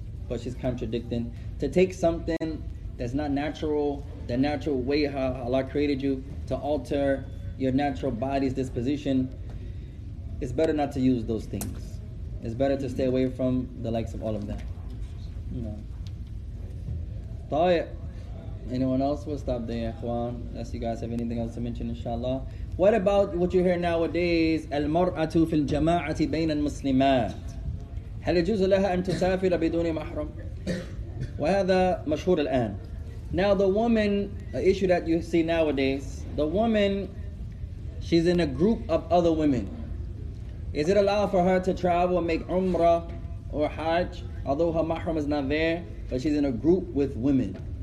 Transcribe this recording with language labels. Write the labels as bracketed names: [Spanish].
[English] But she's contradicting. To take something that's not natural, the natural way how Allah created you, to alter your natural body's disposition, it's better not to use those things. It's better to stay away from the likes of all of that. No. Tayyip. Anyone else? We'll stop there, Ikhwan. Unless you guys have anything else to mention, inshallah. What about what you hear nowadays? [Arabic] Al-mar'atu fil jama'ati bayna al-muslimat. هل يجوز لها أن تسافر بدون محرم؟ وهذا مشهور الآن. [English] Now the woman, the issue that you see nowadays, the woman, she's in a group of other women. Is it allowed for her to travel and make umrah or hajj, although her mahram is not there, but she's in a group with women?